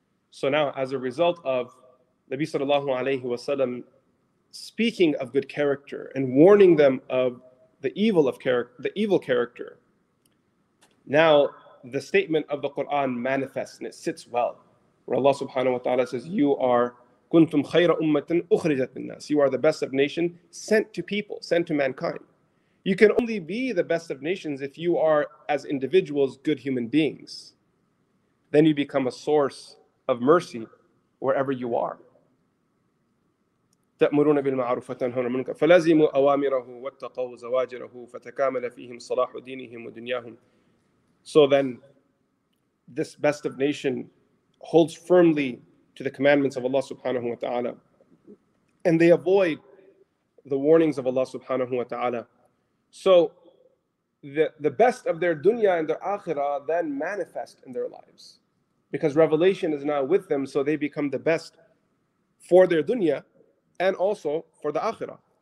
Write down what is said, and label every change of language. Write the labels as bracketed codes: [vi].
[en] So now, as a result of Nabi sallallahu alayhi wa sallam speaking of good character and warning them of the evil character, now the statement of the Quran manifests and it sits well, where Allah subhanahu wa ta'ala says, you are [ar] kuntum khayra ummatin ukhrijat linnas. [en] You are the best of nation sent to people, sent to mankind. You can only be the best of nations if you are, as individuals, good human beings. Then you become a source of mercy wherever you are. [ar] تأمرون بالمعروف وتنهون عن المنكر فلزموا أوامره واتقوا زواجره فتكامل فيهم صلاح دينهم ودنياهم. [en] So then, this best of nation holds firmly to the commandments of Allah subhanahu wa ta'ala, and they avoid the warnings of Allah subhanahu wa ta'ala. So the best of their dunya and their akhirah then manifest in their lives, because revelation is now with them, so they become the best for their dunya and also for the akhirah.